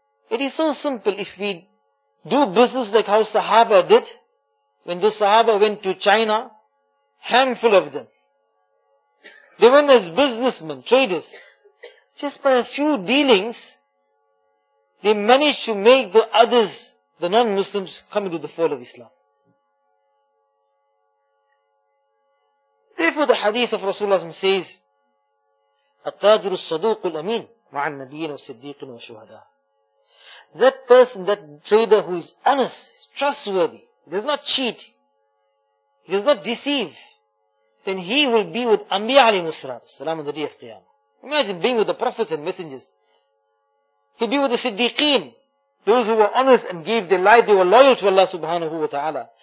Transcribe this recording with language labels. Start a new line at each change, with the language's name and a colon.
English: It is so simple. If we do business like how Sahaba did, when those Sahaba went to China, handful of them, they went as businessmen, traders. Just by a few dealings, they managed to make the others, the non-Muslims, come into the fold of Islam. Therefore, the hadith of Rasulullah says,
Arabic: "التاجر الصدوق الأمين مع النبيين والصديقين والشهداء."
English: That person, that trader who is honest, is trustworthy, does not cheat, does not deceive, then he will be with Anbiya alayhi salatu wasalam on the day of Qiyamah. Imagine being with the prophets and messengers. He'll be with the Siddiqeen, those who were honest and gave their life, they were loyal to Allah subhanahu wa ta'ala.